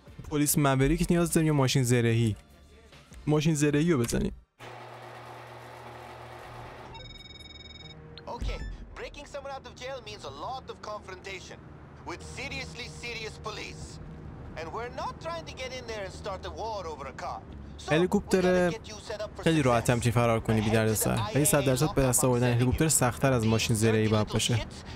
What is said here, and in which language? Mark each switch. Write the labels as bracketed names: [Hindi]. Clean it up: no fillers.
[Persian] پلیس موریک نیاز داریم یا ماشین زرهی؟ ماشین زرهی رو بزنیم. [English] Okay, breaking someone out of jail means a lot of confrontation with seriously serious police, and we're not trying to get in there and start a war over a car. [Persian] هلیکوپتر خیلی راحت هم چیه فرار کنی بیدرد سر، ولی 100 درصد به دست آوردن هلیکوپتر سخت‌تر از ماشین زرهی باید باشه.